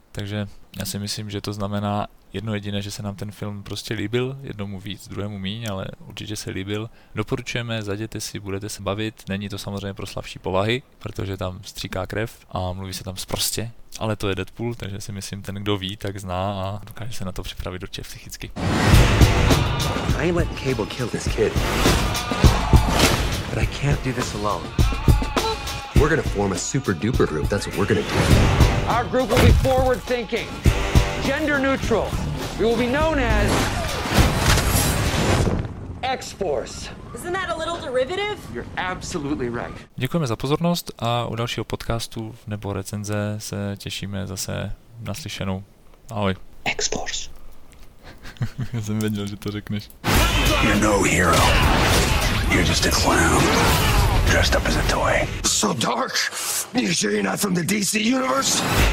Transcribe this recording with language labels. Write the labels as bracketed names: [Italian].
[Czech] Takže já si myslím, že to znamená jedno jediné, že se nám ten film prostě líbil, jednomu víc, druhému míň, ale určitě se líbil. Doporučujeme, zajděte si, budete se bavit, není to samozřejmě pro slabší povahy, protože tam stříká krev a mluví se tam sprostě, ale to je Deadpool, takže si myslím, ten kdo ví, tak zná a dokáže se na to připravit určitě psychicky. [English] I let Cable kill this kid. But I can't do this alone. We're gonna form a super duper group. That's what we're gonna do. Our group will be forward thinking, gender neutral. We will be known as X-Force. Isn't that a little derivative? You're absolutely right. [Czech] Děkujeme za pozornost a u dalšího podcastu nebo recenze se těšíme zase na slyšenou. Ahoj. [English] X-Force. [Czech] Já jsem věděl, že to řekneš. [English] You're no hero. You're just a clown. Dressed up as a toy. So dark. You sure you're not from the DC universe?